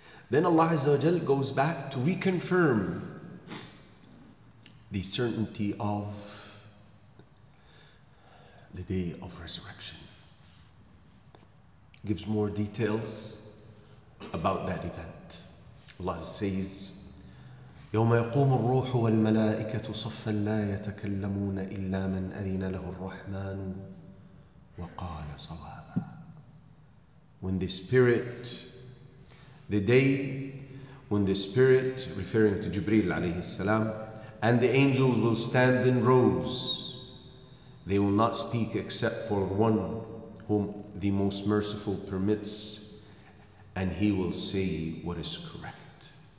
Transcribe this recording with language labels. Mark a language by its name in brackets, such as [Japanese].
[English] Then Allah Azza wa Jal goes back to reconfirm the certainty of the day of resurrection. Gives more details about that event. Allah says, [Arabic] يَوْمَ يَقُومُ الرُّوحُ وَالْمَلَائِكَةُ صَفًّا لَا يَتَكَلَّمُونَ إِلَّا مَنْ أَذِنَ لَهُ الرَّحْمَنُ وَقَالَ صَوَابًا. [English] When the spirit, the day, when the spirit, referring to Jibreel alayhi salam, and the angels will stand in rows, they will not speak except for one whom the Most Merciful permits, and he will say what is correct.